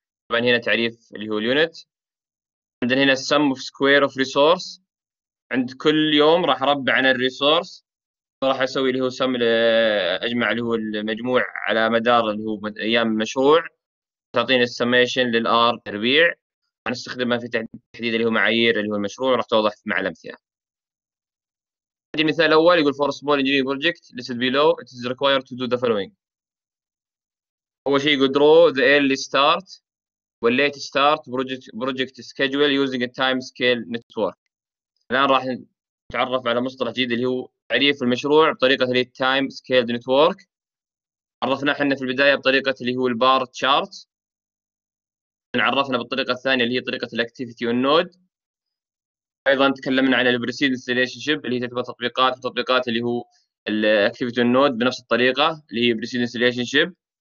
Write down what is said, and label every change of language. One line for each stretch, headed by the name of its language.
Arabic: طبعا هنا تعريف اللي هو اليونت. عندنا هنا السم اوف سكوير اوف ريسورس، عند كل يوم راح اربع عن الريسورس راح اسوي اللي هو سم، اجمع اللي هو المجموع على مدار اللي هو ايام المشروع تعطيني السميشن للار تربيع، هنستخدمها في تحديد اللي هو معايير اللي هو المشروع راح توضح مع الامثله. عندي مثال اول يقول
English: for small engineering project listed below it is required to do the following.
Arabic: اول شيء يقول
English: draw the early start وال late start project schedule using a time scale network.
Arabic: الان راح نتعرف على مصطلح جديد اللي هو تعريف المشروع بطريقه اللي هي time scale network. عرفنا احنا في البدايه بطريقه اللي هو البار chart، عرفنا بالطريقه الثانيه اللي هي طريقه الاكتيفيتي والنود، ايضا تكلمنا عن البريسيدنس ريليشن شيب اللي هي تعتبر تطبيقات وتطبيقات اللي هو الاكتيفيتي والنود بنفس الطريقه اللي هي بريسيدنس ريليشن شيب.